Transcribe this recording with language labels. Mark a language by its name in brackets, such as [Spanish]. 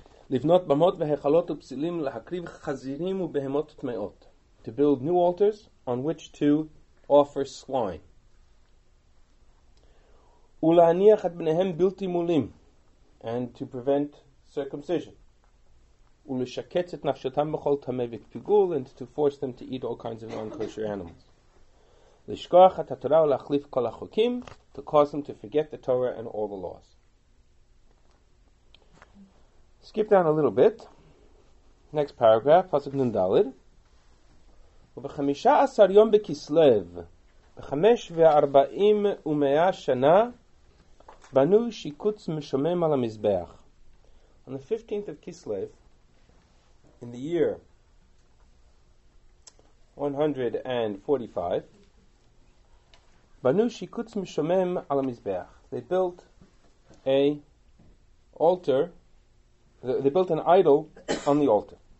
[Hebrew] לבנות במות והיכלות ופסילים, להקריב חזירים ובהמות טמאות, [English] to build new altars on which to offer swine, [Hebrew] ולהניח את בניהם בלתי מולים, [English] and to prevent circumcision, [Hebrew] ולשקץ את נפשתם בכל טמא וכפיגול, [English] and to force them to eat all kinds of non-kosher animals, [Hebrew] לשכוח את התורה ולהחליף כל החוקים, [English] to cause them to forget the Torah and all the laws. Skip down a little bit. Next paragraph, פסוק נ"ד. [Hebrew] ובחמישה עשר יום בכסלו, בחמש וארבעים ומאה שנה, בנו שיקוץ משומם על המזבח. [English] On the 15th of Kislev, in the year 145, Banu Shikutz Mishomem Al Mizbeach, they built an altar, they built an idol on the altar.